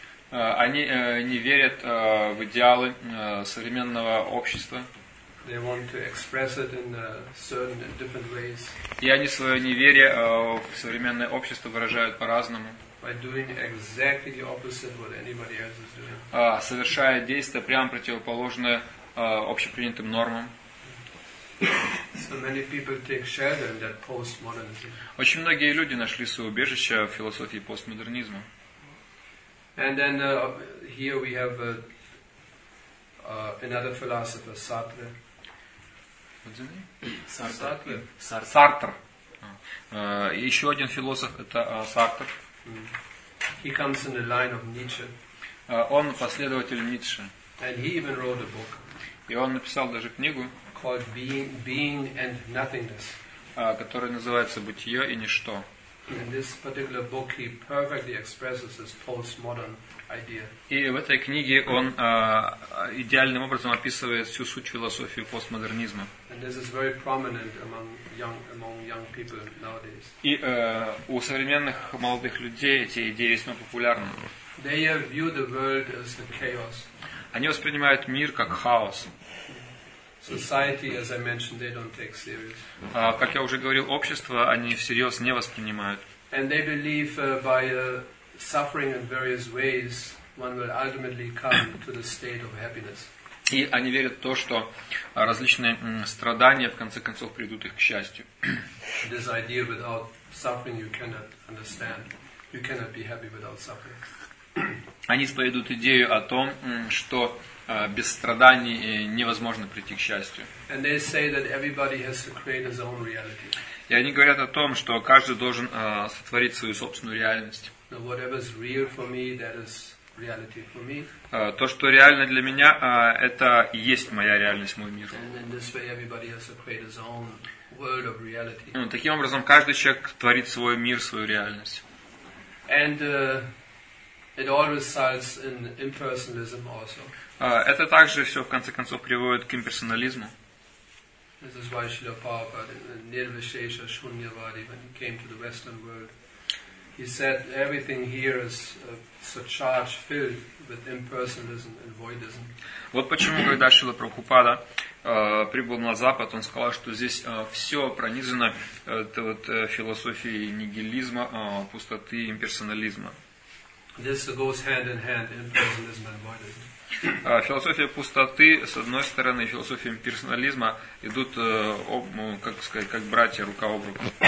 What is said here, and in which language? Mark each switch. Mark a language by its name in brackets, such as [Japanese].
[Russian] Они не верят в идеалы современного общества. [English] They want to express it in certain and different ways. [Russian] И они свое неверие в современное общество выражают по-разному. [English] By doing exactly the opposite what anybody else is doing. [Russian] Совершая действия прямо противоположные общепринятым нормам. [English] So many people take shelter in that postmodernism. [Russian] Очень многие люди нашли свое убежище в философии постмодернизма. [English] And then here we have another philosopher, Sartre. What's his name? Sartre. [Russian] Sartre. Sartre. Еще один философ это Sartre. [English] He comes in the line of Nietzsche. [Russian] Он последователь Ницше. [English] And he even wrote a book. [Russian] И он написал даже книгу. [English] Called Being and Nothingness. [Russian] Которая называется «Бытие и ничто». [English] In this particular book, he perfectly expresses his postmodern idea. [Russian] И в этой книге он идеальным образом описывает всю суть философии постмодернизма. [English] And this is very prominent among young people nowadays. [Russian] И у современных молодых людей эти идеи весьма популярны. [English] They view the world as a chaos. [Russian] Они воспринимают мир как хаос. [English] Society, as I mentioned, they don't take serious. [Russian] Как я уже говорил, общество они всерьез не воспринимают. [English] And they believe by suffering in various ways, one will ultimately come to the state of happiness. [Russian] И они верят в то, что различные страдания в конце концов приведут их к счастью. [English] This idea without suffering you cannot understand. You cannot be happy without suffering. [Russian] они исповедуют идею о том, что без страданий невозможно прийти к счастью. [English] And they say that everybody has to create his own reality. [Russian] И они говорят о том, что каждый должен сотворить свою собственную реальность. [English] Now, whatever is real for me, that is reality for me. [Russian] То, что реально для меня, это и есть моя реальность, мой мир. [English] And in this way, everybody has to create his own world of reality. [Russian] Ну, таким образом, каждый человек творит свой мир, свою реальность. [English] And it all results in impersonalism also. [Russian] Это также все в конце концов приводит к имперсонализму. [English] This is why Srila Prabhupada, Nirvishesha Shunyavadi, when he came to the Western world, he said everything here is surcharged, filled with impersonalism and voidism. [Russian] Вот почему, когда Шрила Прабхупада прибыл на Запад, он сказал, что здесь все пронизано философией нигилизма, пустоты, имперсонализма. [English] This goes hand in hand, impersonalism and voidism. [Russian] Философия пустоты, с одной стороны, и философия имперсонализма идут, как сказать, как братья, рука об руку.